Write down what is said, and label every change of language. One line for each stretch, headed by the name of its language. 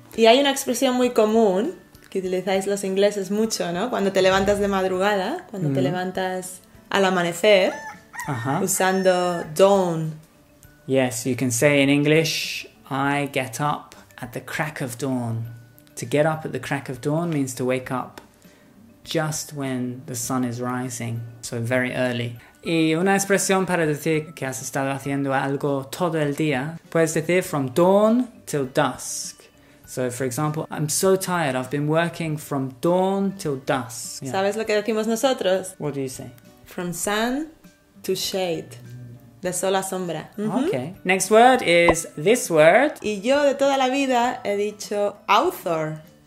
Spanish: Y hay una expresión muy común que utilizáis los ingleses mucho, ¿no? Cuando te levantas de madrugada, cuando te levantas al amanecer, usando dawn.
English: Yes, you can say in English, I get up at the crack of dawn. To get up at the crack of dawn means to wake up just when the sun is rising, so very early.
Spanish: Y una expresión para decir que has estado haciendo algo todo el día, puedes decir
English: from dawn till dusk. So, for example, I'm so tired, I've been working from dawn till dusk. Yeah.
Spanish: ¿Sabes lo que decimos nosotros?
English: What do you say? From sun to shade.
Spanish: De sol a sombra.
English: Mm-hmm. Okay. Next word is this word.
Spanish: Y yo de toda la vida he dicho author.